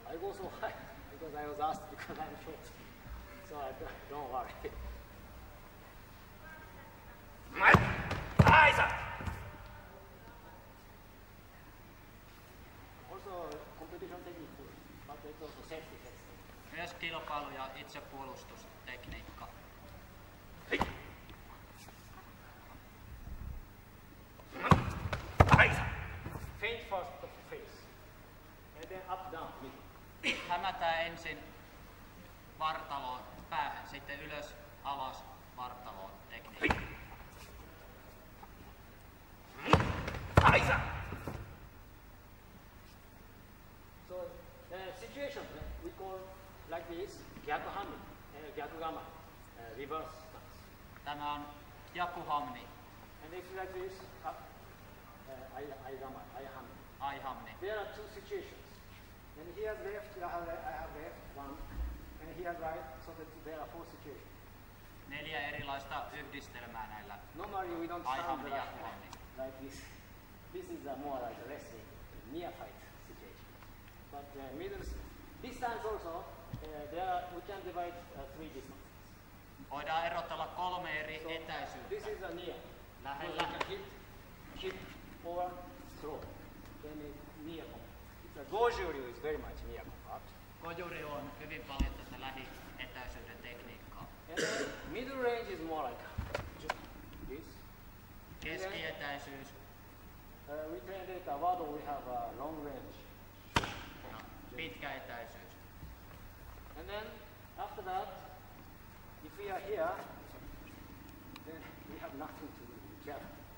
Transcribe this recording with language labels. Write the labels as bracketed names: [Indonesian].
[English] So high because I was asked because I'm short. So I don't worry. Also competition technique, but it's also safety technique. [Finnish] Myös kilpailu ja itsepuolustustekniikka. [English] Feint first of face. And then up down. [Finnish] hämätään ensin vartaloon päähän, sitten ylös, alas, vartaloon, tekniikka. Ai sä! [English] So, the situation we call like this, gyakuhamni, gyakugama, reverse stance. [Finnish] Tämä on gyakuhamni. [English] And it's like this, aihamni. [Japanese] Aihamni. [English] There are two situations. And he has left, I have left one, and he has right, so that there are four situations. [Finnish] Neljä erilaista yhdistelmää näillä. [English] Normally we don't stand like this. This is a more like a wrestling, near fight situation. But middle distance also, we can divide three distances. [Finnish] Voidaan erottella kolme eri etäisyyttä. [English] This is a near. [Finnish] Lähellä. [English] So hit or throw. Then near point. Gojuryu is very much near combat. [Finnish] Gojuryu on hyvin paljon tätä lähietäisyyden tekniikkaa. [English] Middle range is more like this. [Finnish] Keskietäisyys. [English] We train data vado, we have a long range. [Finnish] No, pitkä etäisyys. [English] And then, after that, if we are here, then we have nothing to do with the javelin.